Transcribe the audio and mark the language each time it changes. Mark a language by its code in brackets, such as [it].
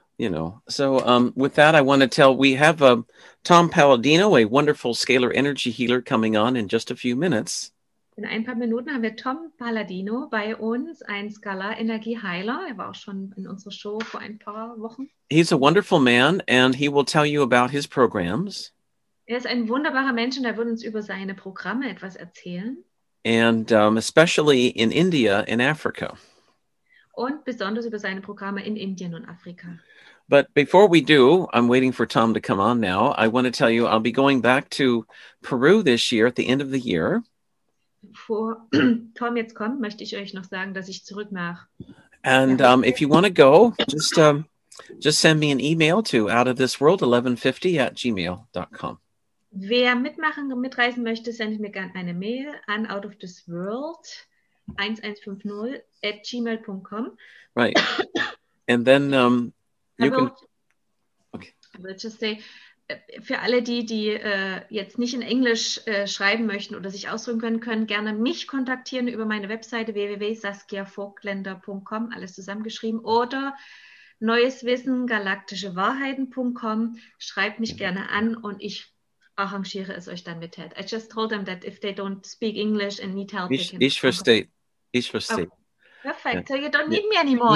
[en] You know, so with that, I want to tell, we have Tom Palladino, a wonderful scalar energy healer, coming on in just a few minutes. [de] In ein paar Minuten haben wir Tom Palladino bei uns, ein Scalar Energieheiler. Er war auch schon in unserer Show vor ein paar Wochen. [en] He's a wonderful man, and he will tell you about his programs. [de] Er ist ein wunderbarer Mensch, und er wird uns über seine Programme etwas erzählen. [en] And especially in India, in Africa. [de] Und besonders über seine Programme in Indien und Afrika. [en] But before we do, I'm waiting for Tom to come on now. I want to tell you, I'll be going back to Peru this year at the end of the year. [de] Bevor Tom jetzt kommt, möchte ich euch noch sagen, dass ich zurück nach. [en] And if you want to go, just send me an email to outofthisworld1150@gmail.com. [de] Wer mitreisen möchte, sendet mir gerne eine Mail an outofthisworld1150@gmail.com. [en] Right. And then you can. [de] Okay. [en] I will just say, [de] für alle die jetzt nicht in Englisch schreiben möchten oder sich ausdrücken können gerne mich kontaktieren über meine Webseite www.saskiavogtländer.com, alles zusammengeschrieben, oder neueswissengalaktischewahrheiten.com. Schreibt mich gerne an und ich arrangiere es euch dann mit Ted. [en] I just told them that if they don't speak English and need help, [de] ich verstehe. Ich verstehe. Okay. [en] Perfect. So you don't need me anymore.